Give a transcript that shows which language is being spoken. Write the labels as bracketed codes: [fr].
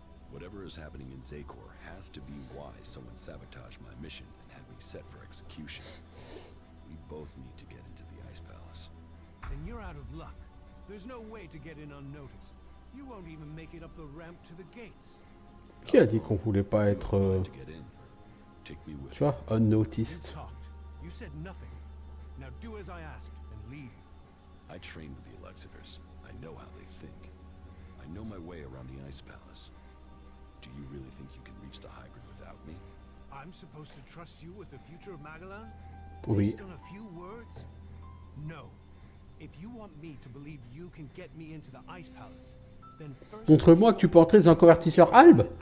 [en] Whatever is happening in Zaykor has to be why someone sabotaged my mission and had me set for execution. We both need to get into the Ice Palace. Then you're out of luck. There's no way to get in unnoticed. You won't even make it up the ramp to the gates. [fr] Qui a dit qu'on voulait pas être, tu vois, unnoticed? [en] You said nothing. Now do as I asked and leave. I trained with the Elixirs. I know how they think. I know my way around the Ice Palace. Do you really think you can reach the hybrid without me? I'm supposed to trust you with the future of Magellan? [fr] Oui. [en] Based on a few words? No. If you want me to believe you can get me into the Ice Palace. [fr] Montre-moi que tu peux entrer dans un convertisseur Alb.